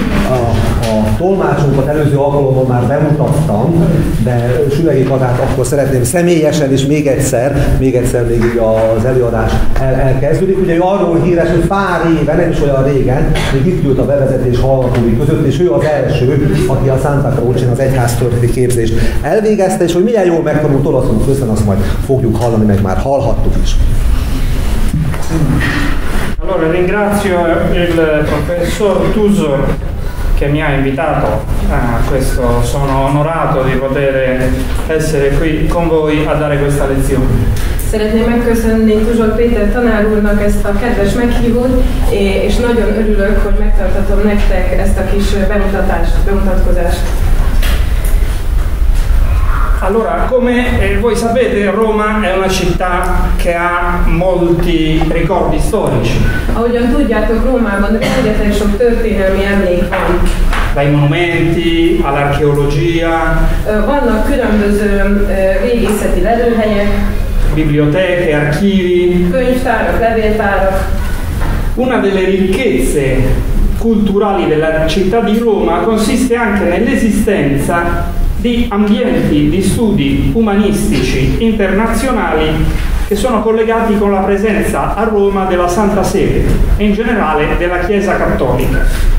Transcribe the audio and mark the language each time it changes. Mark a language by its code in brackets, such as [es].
[hu] A tolmácsunkat előző alkalommal már bemutattam, de Sülegi Katát akkor szeretném személyesen és még egyszer még így az előadás elkezdődik. Ugye ő arról híres, hogy pár éve, nem is olyan régen, még itt ült a bevezetés hallgatói között, és ő az első, aki a Santa Croce-n az egyháztörténeti képzést elvégezte, és hogy milyen jól megtanult olaszul közben, azt majd fogjuk hallani, meg már hallhattuk is. [it] Allora ringrazio il professor Tuzzo che mi ha invitato a questo, sono onorato di poter essere qui con voi a dare questa lezione. [hu] Szeretném megköszönni Tuzsol Péter tanár úrnak ezt a kedves meghívót, és nagyon örülök, hogy megtartatom nektek ezt a kis bemutatkozást. [it] Allora, come voi sapete, Roma è una città che ha molti ricordi storici. [hu] Ahogyan tudjátok, Rómában rengeteg sok történelmi emlék van. [it] Dai monumenti all'archeologia. [hu] Vannak különböző régészeti lelőhelyek. [it] Biblioteche, archivi. [hu] Könyvtárak, levéltárak. [it] Una delle ricchezze culturali della città di Roma consiste anche nell'esistenza di ambienti di studi umanistici internazionali che sono collegati con la presenza a Roma della Santa Sede e in generale della Chiesa Cattolica.